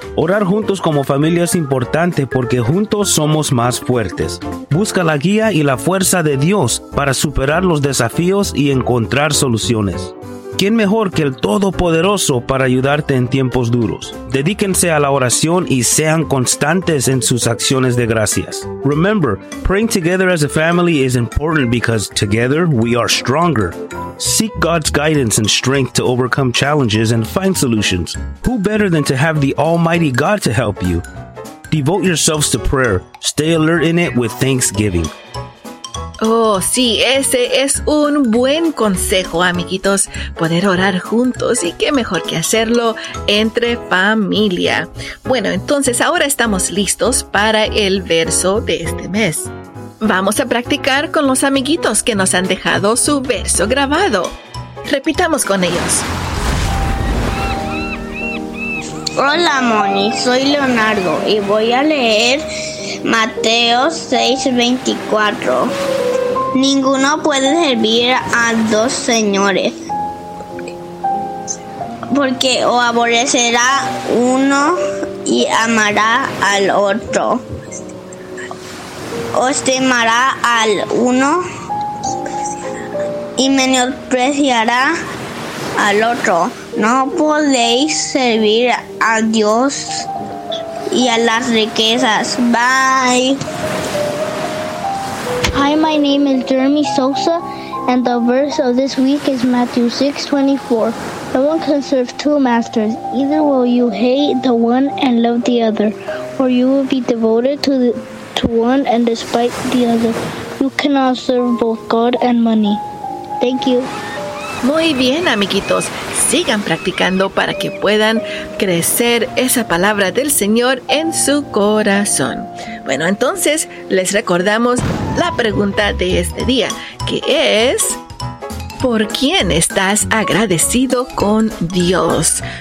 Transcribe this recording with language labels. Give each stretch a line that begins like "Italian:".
Spanish: Orar juntos como familia es importante porque juntos somos más fuertes. Busca la guía y la fuerza de Dios para superar los desafíos y encontrar soluciones. ¿Quién mejor que el Todopoderoso para ayudarte en tiempos duros? Dedíquense a la oración y sean constantes en sus acciones de gracias.
English: Remember, praying together as a family is important because together we are stronger. Seek God's guidance and strength to overcome challenges and find solutions. Who better than to have the Almighty God to help you? Devote yourselves to prayer. Stay alert in it with thanksgiving.
Spanish: Oh, sí, ese es un buen consejo, amiguitos, poder orar juntos, y qué mejor que hacerlo entre familia. Bueno, entonces ahora estamos listos para el verso de este mes. Vamos a practicar con los amiguitos que nos han dejado su verso grabado. Repitamos con ellos. Hola, Moni, soy Leonardo y voy a leer Mateo 6:24. Ninguno puede servir a dos señores, porque o aborrecerá uno y amará al otro, o estimará al uno y menospreciará al otro. No podéis servir a Dios y a las riquezas.
English: Bye. Hi, my name is Jeremy Sosa, and the verse of this week is Matthew 6:24. No one can serve two masters. Either will you hate the one and love the other, or you will be devoted to one and despise the other. You cannot serve both God and money. Thank you.
Spanish: Muy bien, amiguitos. Sigan practicando para que puedan crecer esa palabra del Señor en su corazón. Bueno, entonces les recordamos la pregunta de este día, que es, ¿Por quién estás agradecido con Dios?